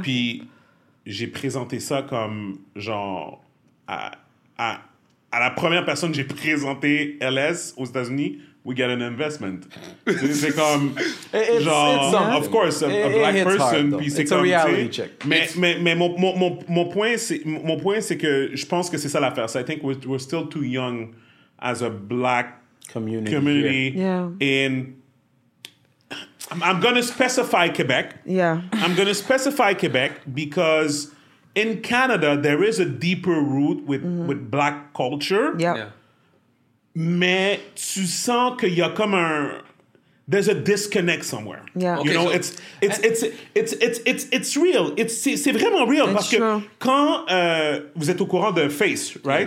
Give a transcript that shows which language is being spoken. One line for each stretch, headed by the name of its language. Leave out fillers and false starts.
French: Puis j'ai présenté ça comme, genre, à la première personne que j'ai présenté LS aux États-Unis,
English: we get an investment.
French: C'est comme,
English: of course, a black person.
French: Puis c'est comme,
English: a reality check.
French: Mais mon point, c'est que je pense que c'est ça l'affaire.
English: So I think we're still too young as a black community in... I'm going to specify Quebec. Yeah. I'm going to specify Quebec because in Canada, there is a deeper root with black culture. Yep. Yeah.
French: Mais tu sens qu'il y a comme un...
English: there's a disconnect somewhere. Yeah. Okay, you know, so it's real. It's vraiment real. It's
French: parce
English: true.
French: Que quand vous êtes au courant de Face,
English: right?